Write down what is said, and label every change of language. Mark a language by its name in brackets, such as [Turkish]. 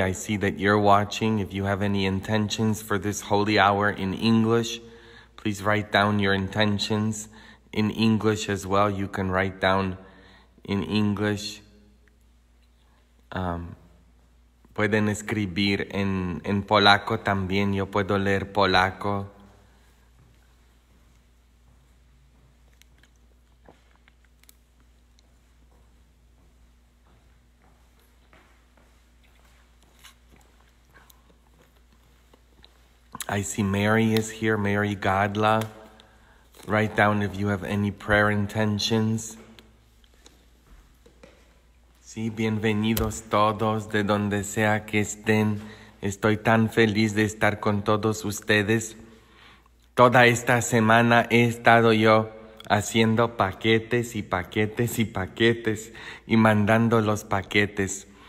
[English] I see that you're watching. If you have any intentions for this holy hour in English, please write down your intentions in English as well. You can write down in English. [Spanish] Pueden escribir en polaco también. Yo puedo leer polaco. [English] I see Mary is here, Mary Godla. Write down if you have any prayer intentions. [Spanish] Sí, bienvenidos todos de donde sea que estén. Estoy tan feliz de estar con todos ustedes. Toda esta semana he estado yo haciendo paquetes y paquetes y paquetes y mandando los paquetes.